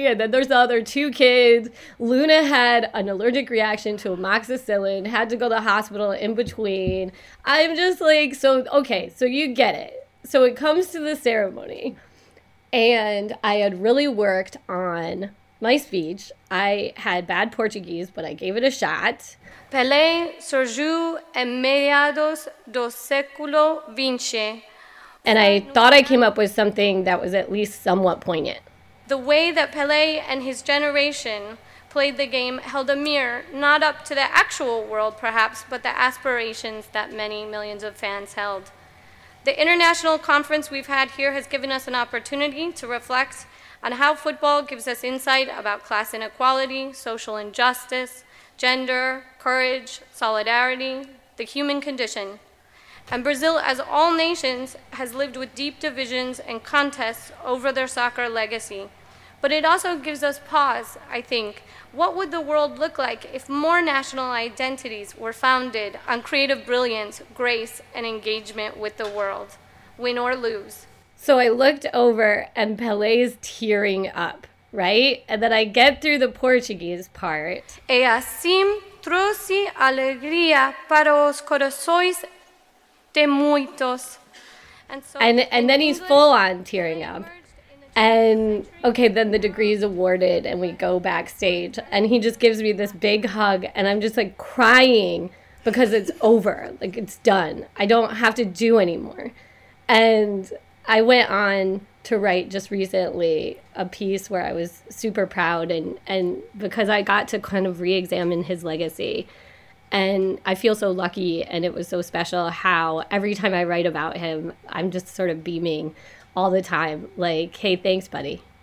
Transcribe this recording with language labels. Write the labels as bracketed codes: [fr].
[en] And then there's the other two kids. Luna had an allergic reaction to amoxicillin, had to go to the hospital in between. I'm just like, so, okay, so you get it. So it comes to the ceremony, and I had really worked on my speech. I had bad Portuguese, but I gave it a shot. [pt] Pelé surgiu em meados do século XX. [en] And I thought I came up with something that was at least somewhat poignant. The way that Pelé and his generation played the game held a mirror, not up to the actual world, perhaps, but the aspirations that many millions of fans held. The international conference we've had here has given us an opportunity to reflect on how football gives us insight about class inequality, social injustice, gender, courage, solidarity, the human condition. And Brazil, as all nations, has lived with deep divisions and contests over their soccer legacy. But it also gives us pause, I think. What would the world look like if more national identities were founded on creative brilliance, grace, and engagement with the world, win or lose? So I looked over, and Pelé is tearing up, right? And then I get through the Portuguese part. [pt] E assim trouxe alegria para os corações de muitos. [en] And then he's full on tearing up. And okay, then the degree is awarded, and we go backstage, and he just gives me this big hug, and I'm just like crying because it's over. Like, it's done. I don't have to do anymore. And I went on to write just recently a piece where I was super proud, and because I got to kind of re-examine his legacy, and I feel so lucky, and it was so special how every time I write about him, I'm just sort of beaming all the time, like, hey, thanks, buddy.